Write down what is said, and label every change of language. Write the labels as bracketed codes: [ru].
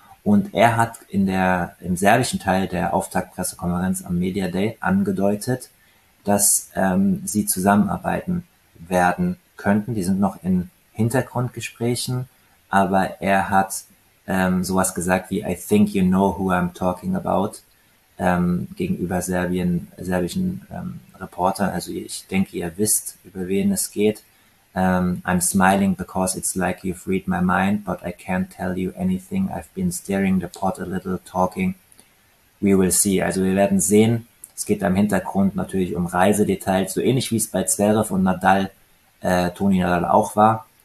[de] Und er hat im serbischen Teil der Auftaktpressekonferenz am Media Day angedeutet, dass sie zusammenarbeiten werden könnten. Die sind noch in Hintergrundgesprächen, aber er hat sowas gesagt wie [en] "I think you know who I'm talking about" [de] gegenüber serbischen Reportern. Also ich denke, ihr wisst, über wen es geht. [en] I'm smiling because it's like you've read my mind, but I can't tell you anything. I've been stirring the pot a little, talking. We will see. [de] Also wir werden sehen. Es geht im Hintergrund natürlich um Reisedetails, so ähnlich wie es bei Zverev und Nadal, Toni Nadal auch war.